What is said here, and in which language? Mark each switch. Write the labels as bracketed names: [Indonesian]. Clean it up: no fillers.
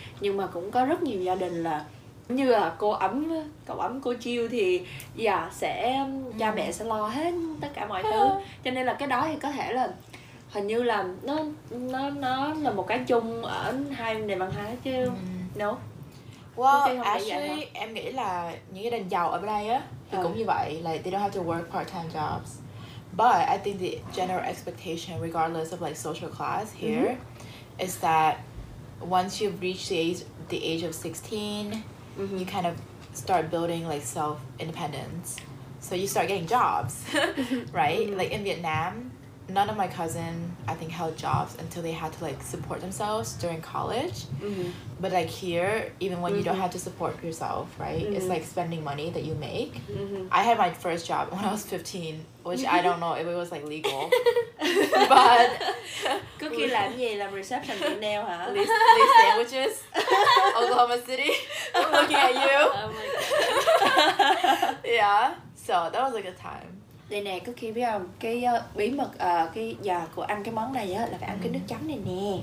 [Vietnamese] Nhưng mà cũng có rất nhiều gia đình là như là cô Ấm, cậu Ấm, cô Chiêu thì sẽ cha mẹ sẽ lo hết tất cả mọi thứ. Cho nên là cái đó thì có thể là hình như là nó là một cái chung ở hai nền văn hóa chứ. [English] No. Well, okay, actually, [Vietnamese] em nghĩ là những gia đình giàu ở đây á thì cũng như vậy, [English] like they don't have to work part-time jobs. But I think the general expectation regardless of like social class here is that once you've reached the age of 16, you kind of start building like self-independence. So you start getting jobs, right? Like in Vietnam, none of my cousin, I think, held jobs until they had to like support themselves during college. But like here, even when you don't have to support yourself, right? It's like spending money that you make. I had my first job when I was 15, which I don't know if it was like legal. But [Vietnamese] Cookie làm gì? Làm reception để nail hả? [English] Lee sandwiches. Oklahoma City. I'm looking at you. Oh my God. Yeah. So that was like a good time. [Vietnamese] Đây nè, Cookie biết không? Cái bí mật cái giờ của ăn cái món này á là phải ăn cái nước chấm này nè.